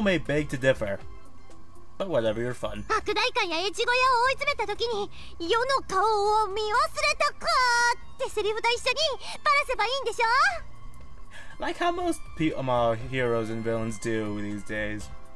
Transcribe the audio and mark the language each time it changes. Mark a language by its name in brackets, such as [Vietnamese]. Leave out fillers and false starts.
[English] may beg to differ, but whatever, you're fun. [Japanese] 悪代官や越後屋を追い詰めた時に、世の顔を見忘れたかってセリフと一緒にバラせばいいんでしょ。 [English] Like how most heroes and villains do these days.